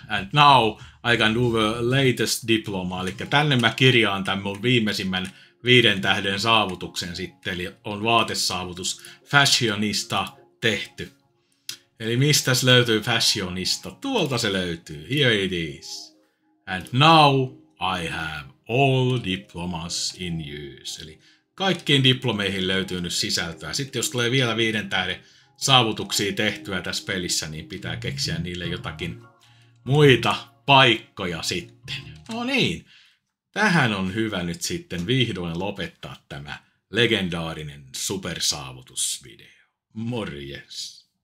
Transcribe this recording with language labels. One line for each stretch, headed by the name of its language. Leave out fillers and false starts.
English: And now I can do the latest diploma.
Finnish: Eli tänne mä kirjaan tämän mun viimeisimmän 5 tähden saavutuksen sitten. Eli on vaatesaavutus. Fashionista tehty. Eli mistäs löytyy fashionista? Tuolta se löytyy.
English: Here it is. And now I have all diplomas in use.
Finnish: Eli kaikkiin diplomeihin löytyy nyt sisältöä. Sitten jos tulee vielä 5 tähden saavutuksia tehtyä tässä pelissä, niin pitää keksiä niille jotakin muita paikkoja sitten. No niin, tähän on hyvä nyt sitten vihdoin lopettaa tämä legendaarinen supersaavutusvideo. Morjes!